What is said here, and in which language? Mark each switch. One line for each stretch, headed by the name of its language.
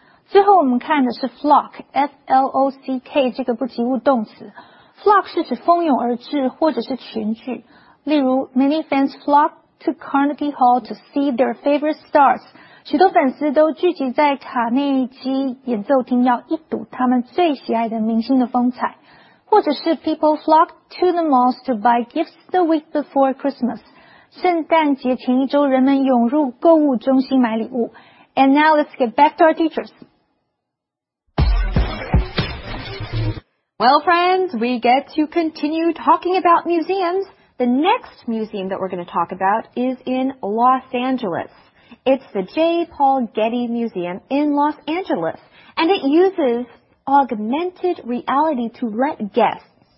Chinese: 最后我们看的是 flock, F-L-O-C-K 这个不及物动词。
English: flock
Chinese: 是指蜂拥而至或者是群聚。例如
English: ,many fans flock to Carnegie Hall to see their favorite stars.
Chinese: 许多粉丝都聚集在卡内基演奏厅要一睹他们最喜爱的明星的风采。或者是
English: people flock to the malls to buy gifts the week before Christmas.
Chinese: 圣诞节前一周人们涌入购物中心买礼物。
English: And now let's get back to our teachers. Well, friends, we get to continue talking about museums. The next museum that we're going to talk about is in Los Angeles. It's the J. Paul Getty Museum in Los Angeles. And it uses augmented reality to let guests